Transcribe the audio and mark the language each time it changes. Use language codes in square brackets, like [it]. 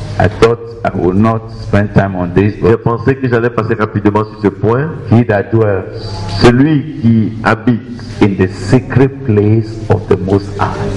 [en] I thought I would not spend time on this. [fr] J'ai pensé que j'allais passer rapidement sur ce point. [en] He that dwells, [fr] celui qui habite, [en] in the secret place of the Most High.